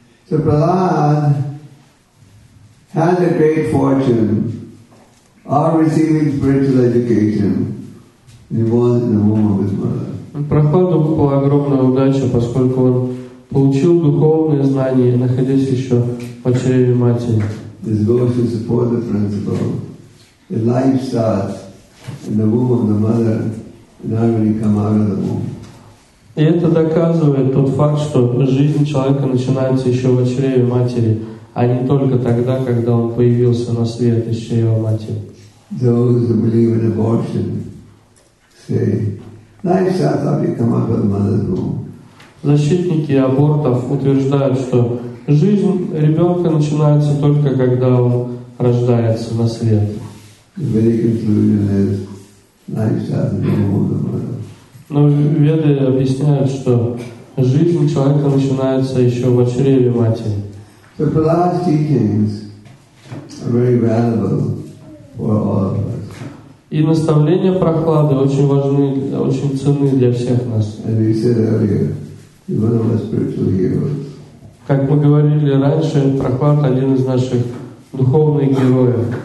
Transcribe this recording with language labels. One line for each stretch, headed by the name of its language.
English: So Prahlad has a great fortune of receiving spiritual education in the womb of his mother.
Russian: Прохладу выпала огромная удача, поскольку он получил духовные знания, находясь еще в чреве матери.
English: This goes to support the principle that life starts in the womb of the mother, not when you come out of the womb.
Russian: И это доказывает тот факт, что жизнь человека начинается еще в чреве матери, а не только тогда, когда он появился на свет из чрева матери.
English: Those who believe in abortion say, life starts after you come out of the mother's womb.
Russian: Защитники абортов утверждают, что жизнь ребенка начинается только когда он рождается на свет. Но веды объясняют, что жизнь человека начинается еще в чреве матери.
English: So Prahlad's teachings are very valuable for all of us.
Russian: И наставления Прохлады очень важны, очень ценны для всех нас.
English: And he said earlier, he's one of our spiritual heroes.
Russian: Как мы говорили раньше, Прохлад один из наших духовных героев.